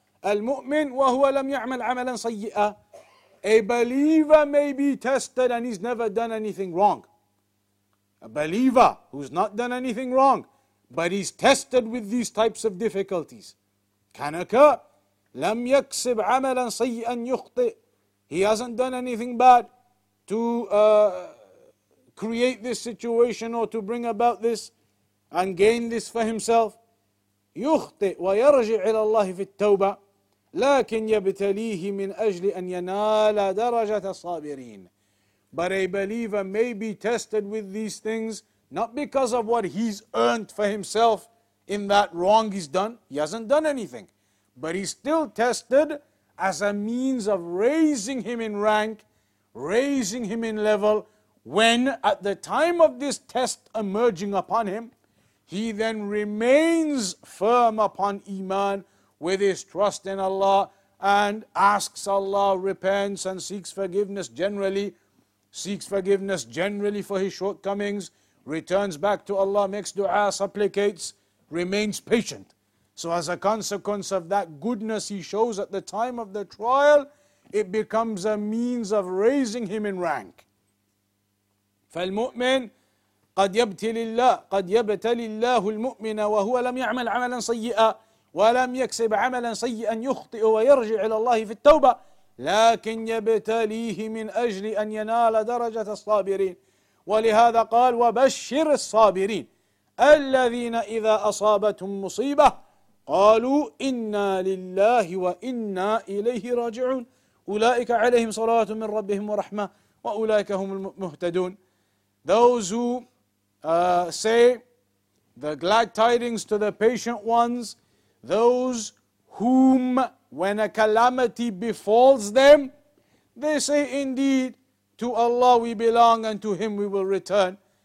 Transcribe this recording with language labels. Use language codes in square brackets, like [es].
[ar] المؤمن وهو لم يعمل عملا سيئا. [en] A believer may be tested and he's never done anything wrong. A believer who's not done anything wrong, but he's tested with these types of difficulties. Can occur. [ar] لم يكسب عملا سيئا يخطئ. [en] He hasn't done anything bad to create this situation or to bring about this and gain this for himself. [ar] يخطئ ويرجع إلى الله في التوبة لكن يبتليه من أجل أن ينال درجة الصابرين. [en] But a believer may be tested with these things not because of what he's earned for himself in that wrong he's done. He hasn't done anything. But he's still tested as a means of raising him in rank, raising him in level, when at the time of this test emerging upon him, he then remains firm upon Iman with his trust in Allah and asks Allah, repents and seeks forgiveness generally for his shortcomings, returns back to Allah, makes dua, supplicates, remains patient. So as a consequence of that goodness he shows at the time of the trial, it becomes a means of raising him in rank. [ar] فالمؤمن قد يبتلي الله قد يبتلي الله المؤمن وهو لم يعمل عملا سيئا ولم يكسب عملا سيئا يخطئ ويرجع إلى الله في التوبة لكن يبتليه من أجل أن ينال درجة الصابرين ولهذا قال وبشر الصابرين الذين إذا أصابتهم مصيبة قالوا إنا لله وإنا إليه راجعون أولئك عليهم صلوات من ربهم ورحمة وأولئك هم المهتدون. [en] Those who say the glad tidings to the patient ones, those whom when a calamity befalls them, they say indeed to Allah we belong and to Him we will return.